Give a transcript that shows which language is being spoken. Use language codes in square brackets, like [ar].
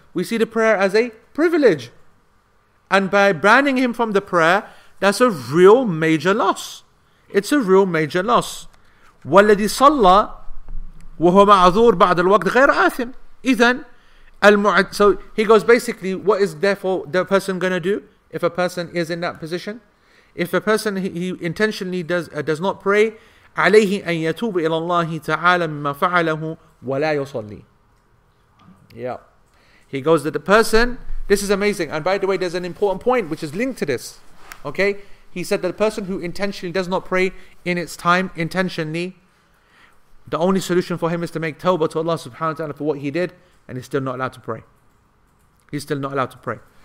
[en] We see the prayer as a privilege. And by banning him from the prayer, that's a real major loss. It's a real major loss. [ar] وَالَّذِي صَلَّى وَهُوَ مَعْذُورٌ بَعْدَ الْوَقْتِ غَيْرَ آثِمٍ إِذَنْ الْمُعَدْ. [en] So he goes, basically, what is therefore the person going to do if a person is in that position? If a person, he intentionally does not pray, [ar] عليه أن يتوب إلى الله تعالى مما فعله ولا يصلي. [en] Yeah. He goes that the person, this is amazing. And by the way, there's an important point which is linked to this. Okay? He said that the person who intentionally does not pray in its time, intentionally, the only solution for him is to make tawbah to Allah subhanahu wa ta'ala for what he did, and he's still not allowed to pray. He's still not allowed to pray.